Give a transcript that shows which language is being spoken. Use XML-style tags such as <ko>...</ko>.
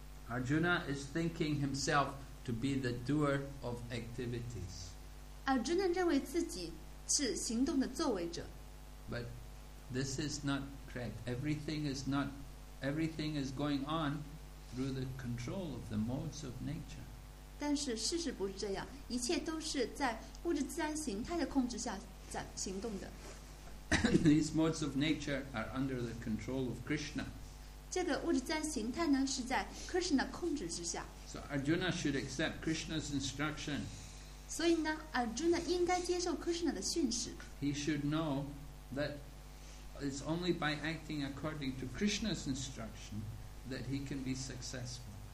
<en>Arjuna is thinking himself to be the doer of activities.</en> <zh>Arjuna 认为自己是行动的作为者。</zh> <en>But this is not correct. Everything is going on through the control of the modes of nature.</en> <zh>但是事实不是这样，一切都是在物质自然形态的控制下行动的。</zh> <en>These modes of nature are under the control of Krishna.</en> <zh>这个物质自然形态呢，是在 Krishna 控制之下。</zh> <en>So Arjuna should accept Krishna's instruction.</en> <zh>所以呢 ，Arjuna 应该接受 Krishna 的训示。</zh> <en>He should know that it's only by acting according to Krishna's instruction that he can be successful.</en>